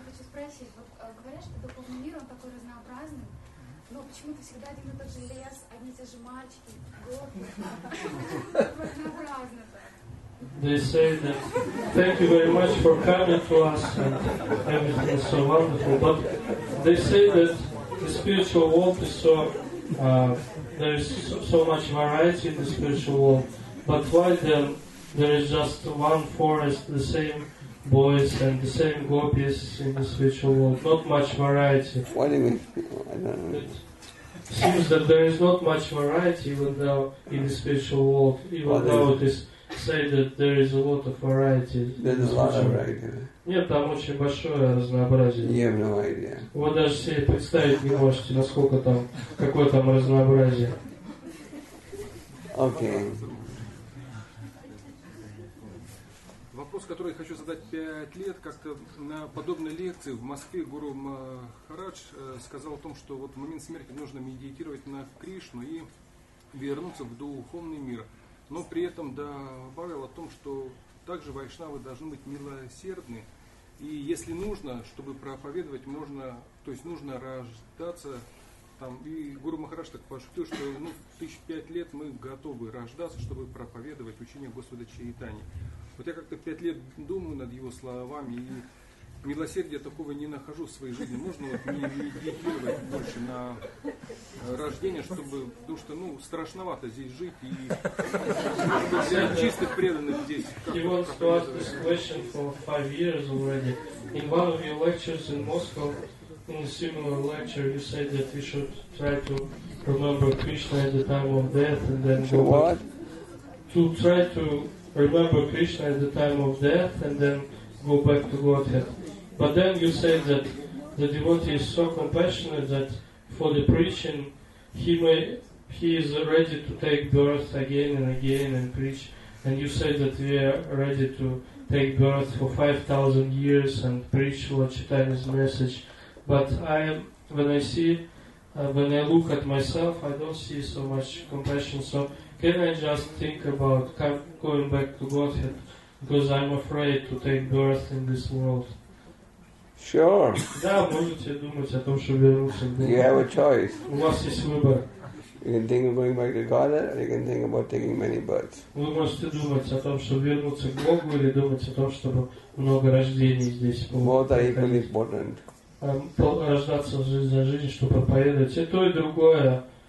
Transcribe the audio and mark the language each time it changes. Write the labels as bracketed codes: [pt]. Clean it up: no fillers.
[ru] Спросить, вот говорят, что духовный мир, он такой разнообразный, но почему-то всегда один и тот же лес, одни и те же мальчики, горы, разнообразно. [en] They say that, thank you very much for coming to us, and everything is so wonderful, but they say that the spiritual world is so, there is so much variety in the spiritual world, but why then there is just one forest, the same boys and the same gopis in the spiritual world, not much variety. What do you mean? I don't know. It seems that there is not much variety even though in the spiritual world, even though it is said that there is a lot of variety. There's a lot of variety. [ru] Нет, там очень большое разнообразие. [en] You have no idea. [ru] Вы даже себе представить не можете, насколько там, какое там разнообразие. [en] Okay. [ru] Вопрос, который я хочу задать 5 лет, как-то на подобной лекции в Москве гуру Махарадж сказал о том, что вот в момент смерти нужно медитировать на Кришну и вернуться в духовный мир. Но при этом добавил о том, что также вайшнавы должны быть милосердны. И если нужно, чтобы проповедовать, можно, то есть нужно рождаться там. И гуру Махарадж так пошутил, что ну, 5 лет мы готовы рождаться, чтобы проповедовать учение Господа Чайтани. Вот я как-то 5 лет думаю над его словами, и милосердия такого не нахожу в своей жизни. Можно вот не медитировать больше на рождение, чтобы, потому что, ну, страшновато здесь жить, и для чистых преданных здесь. [en] He wants to ask this question for 5 years already. In one of your lectures in Moscow, in a similar lecture, you said that we should try to remember Krishna at the time of death, and then to what? To try to remember Krishna at the time of death and then go back to Godhead. But then you say that the devotee is so compassionate that for the preaching he is ready to take birth again and again and preach. And you say that we are ready to take birth for 5,000 years and preach Lord Chaitanya's message. But when I look at myself, I don't see so much compassion. So can I just think about going back to Godhead because I'm afraid to take birth in this world? Sure. [ru] Да, можете думать о том, чтобы вернуться в [en] Godhead. You have a choice. [ru] У вас есть выбор. [en] You can think of going back to Godhead, or you can think about taking many births. [ru] Вы можете думать о том, чтобы вернуться к Богу, или думать о том, чтобы много рождений здесь было. [en] Both are equally important. [ru] Рождаться жизнь за жизнь, чтобы проповедовать, и то, и другое.